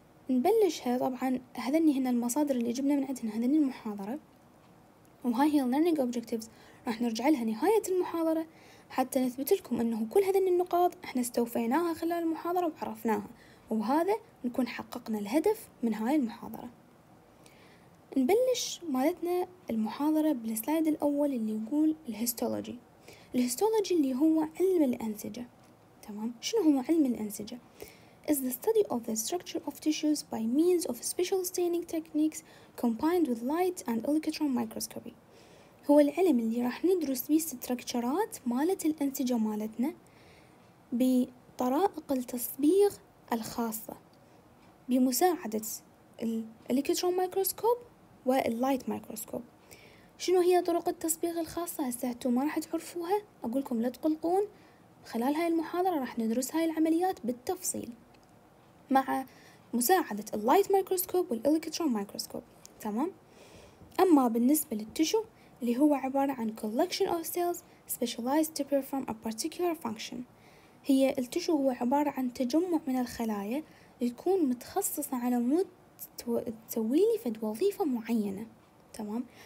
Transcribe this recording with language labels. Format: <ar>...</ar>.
<ar>نبلشها طبعا هذني هنا المصادر اللي جبنا من عندنا، هذني المحاضرة، وهاي هي Learning Objectives راح نرجع لها نهاية المحاضرة حتى نثبت لكم انه كل هذني النقاط احنا استوفيناها خلال المحاضرة وعرفناها، وهذا نكون حققنا الهدف من هاي المحاضرة. نبلش مالتنا المحاضرة بالسلايد الأول اللي يقول الهيستولوجي. الهيستولوجي اللي هو علم الأنسجة، تمام؟ شنو هو علم الأنسجة؟</ar> <en>is the study of the structure of tissues by means of special staining techniques combined with light and electron microscopy.</en> <ar>هو العلم اللي راح ندرس بيه الستركتشرات مالت الأنسجة مالتنا بطرائق التصبيغ الخاصة بمساعدة الإلكترون مايكروسكوب واللايت مايكروسكوب. شنو هي طرق التصبيغ الخاصة؟ هسه هتو ما راح تعرفوها، أقولكم لا تقلقون، خلال هاي المحاضرة راح ندرس هاي العمليات بالتفصيل مع مساعدة اللايت مايكروسكوب والإلكترون مايكروسكوب، تمام؟ أما بالنسبة للتشو اللي هو عبارة عن</ar> <en>collection of cells specialized to perform a particular function،</en> <ar>هي التشو هو عبارة عن تجمع من الخلايا يكون متخصصة على مود تسوي لي فد وظيفة معينة، تمام.</ar>